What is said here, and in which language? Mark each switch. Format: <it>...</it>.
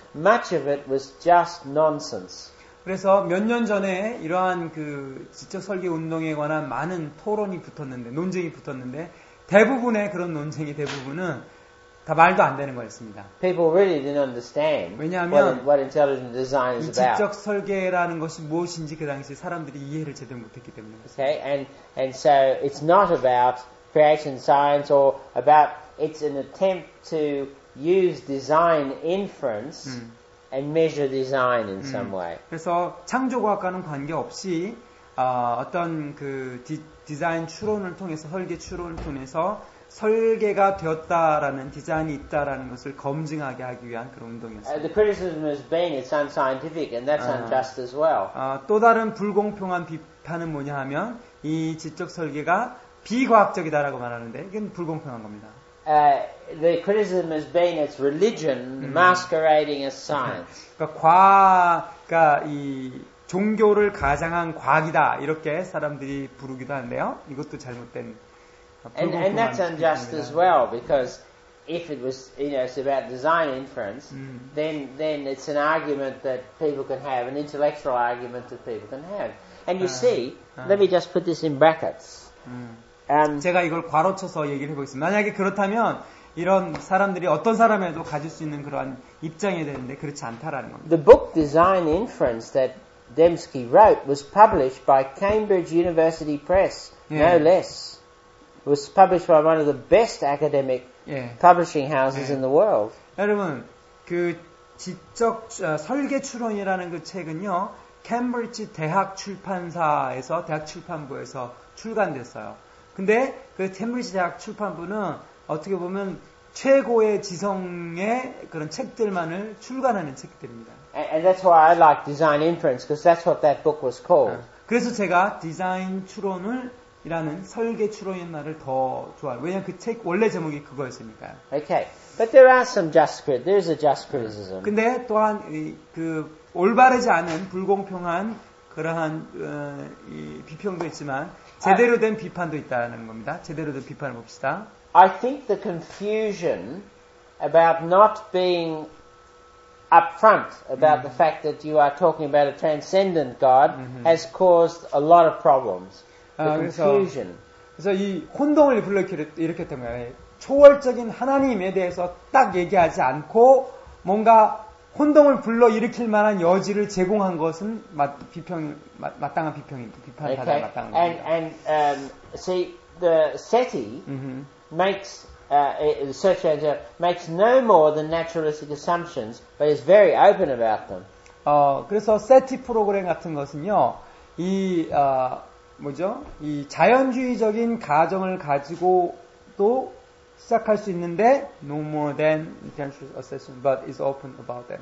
<en>Much of it was just nonsense.</en> <ko>그래서 몇 년 전에 이러한 그 지적 설계 운동에 관한 많은 토론이 붙었는데 논쟁이 붙었는데. 대부분의 그런 논쟁이 대부분은 다 말도 안 되는 거였습니다.</ko> <en>People really didn't understand</en> <ko>왜냐하면</ko> <en>what intelligent design is about.</en> <ko>이 지적 설계라는 것이 무엇인지 그 당시 사람들이 이해를 제대로 못했기 때문에.</ko> <en>Okay, and so it's not about creation science or about it's an attempt to use design inference and measure design in some way.</en> <ko>그래서 창조과학과는 관계없이 어떤 그 디자인 추론을 통해서 설계 추론을 통해서 설계가 되었다라는 디자인이 있다라는 것을 검증하게 하기 위한 그런 운동이었습니다.</ko> <en>The criticism has been it's unscientific and that's unjust as well.</en> <ko>또 다른 불공평한 비판은 뭐냐 하면 이 지적 설계가 비과학적이다라고 말하는데 이건 불공평한 겁니다.</ko> <en>The criticism has been it's religion masquerading as science.</en> <ko>그러니까 과가 이 종교를 가장한 과학이다 이렇게 사람들이 부르기도 하는데요. 이것도 잘못된</ko> <en>And that's unjust as well because if it was, you know, it's about design inference, then it's an argument that people can have, an intellectual argument that people can have. And you see, let me just put this in brackets.</en> <ko>제가 이걸 괄호 쳐서 얘기를 해보겠습니다. 만약에 그렇다면 이런 사람들이 어떤 사람에도 가질 수 있는 그러한 입장이 되는데 그렇지 않다라는 겁니다.</ko> <en>The book Design Inference that Dembski wrote was published by Cambridge University Press, no less. Was published by one of the best academic publishing houses in the world.</en> <ko>여러분, 그 지적 설계 추론이라는 그 책은요, 캠브리지 대학 출판사에서 대학 출판부에서 출간됐어요. 근데 그 캠브리지 대학 출판부는 어떻게 보면 최고의 지성의 그런 책들만을 출간하는 책들입니다.</ko> <en>And that's why I like Design Inference, because that's what that book was called.</en> <ko>그래서 제가 디자인 추론을이라는 설계 추론이라는 말을 더 좋아해요. 왜냐면 그 책 원래 제목이 그거였으니까.</ko> <en>Okay, but there are some just criticism. There's a just criticism.</en> <ko>근데 또한 그 올바르지 않은 불공평한 그러한 이 비평도 있지만 제대로 된 비판도 있다는 겁니다. 제대로 된 비판을 봅시다.</ko> <en>I think the confusion about not being upfront about the fact that you are talking about a transcendent God has caused a lot of problems. The confusion.</en> <ko>그래서 이 혼동을 일으켰던 거예요. 초월적인 하나님에 대해서 딱 얘기하지 않고 뭔가 혼동을 불러 일으킬 만한 여지를 제공한 것은 마땅한 비평입니다. 비판이 가장 마땅한 겁니다.</ko> <en>And see the SETI makes search engine makes no more than naturalistic assumptions, but is very open about them.</en> <ko>그래서 SETI 프로그램 같은 것은요, 이 뭐죠? 이 자연주의적인 가정을 가지고도 시작할 수 있는데</ko> <en>no more than intentional assessment, but is open about them.</en>